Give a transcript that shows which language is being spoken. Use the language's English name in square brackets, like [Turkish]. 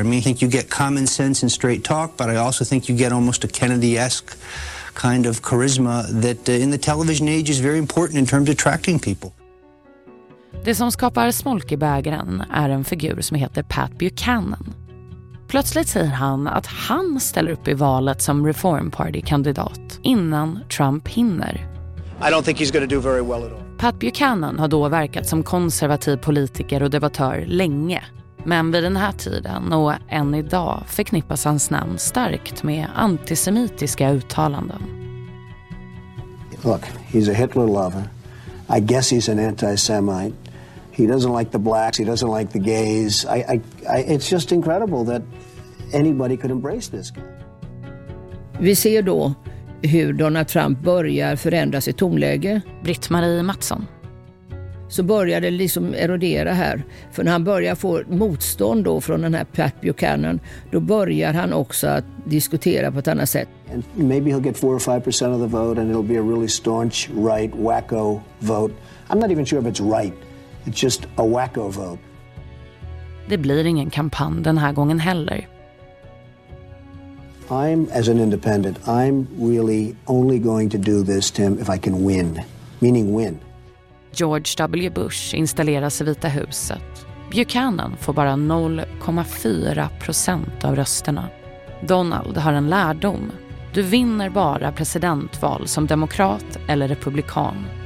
[English] I mean, I think you get common sense and straight talk, but I also think you get almost a Kennedy-esque kind of charisma that in the television age is very important in terms of attracting people. [Swedish] Det som skapar smolk i bägaren är en figur som heter Pat Buchanan. Plötsligt säger han att han ställer upp i valet som Reform Party-kandidat innan Trump hinner. [English] I don't think he's going to do very well at all. [Swedish] Pat Buchanan har då verkat som konservativ politiker och debattör länge. Men vid den här tiden och än idag förknippas hans namn starkt med antisemitiska uttalanden. [English] Look, he's a Hitler lover. I guess he's an anti-Semite. He doesn't like the blacks, he doesn't like the gays. It's just incredible that anybody could embrace this guy. [Swedish] Vi ser då hur Donald Trump börjar förändra sitt tonläge. Britt-Marie Mattsson. Så börjar det liksom erodera här. För när han börjar få motstånd då från den här Pat Buchanan, då börjar han också att diskutera på ett annat sätt. [English] And maybe he'll get 4-5% of the vote and it'll be a really staunch right wacko vote. I'm not even sure if it's right. It's just a wacko vote. [Swedish] Det blir ingen kampanj den här gången heller. [English] I'm as an independent. I'm really only going to do this, Tim, if I can win. Meaning win. [Swedish] George W. Bush installeras i Vita huset. Buchanan får bara 0,4% av rösterna. Donald har en lärdom. Du vinner bara presidentval som demokrat eller republikan.